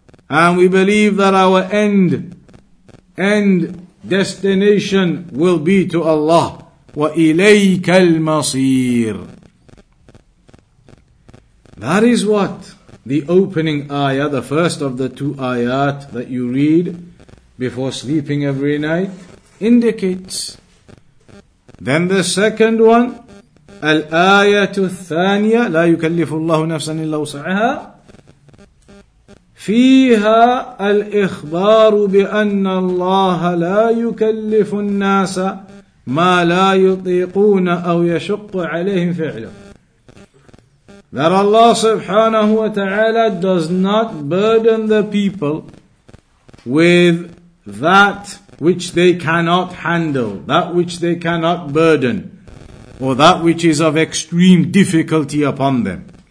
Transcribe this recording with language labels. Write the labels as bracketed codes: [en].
[en] And we believe that our end destination will be to Allah. [ar] وَإِلَيْكَ الْمَصِيرِ. [en] That is what the opening ayah, the first of the two ayat that you read before sleeping every night, indicates. Then the second one, [ar] الْآيَةُ الثَّانِيَةُ لَا يُكَلِّفُ اللَّهُ نَفْسًا إِلَّا وُسْعَهَا. فيها الإخبار بأن الله لا يكلف الناس ما لا يطيقون أو يشق عليهم فعله. [en] That Allah subhanahu wa ta'ala does not burden the people with that which they cannot handle, that which they cannot burden, or that which is of extreme difficulty upon them.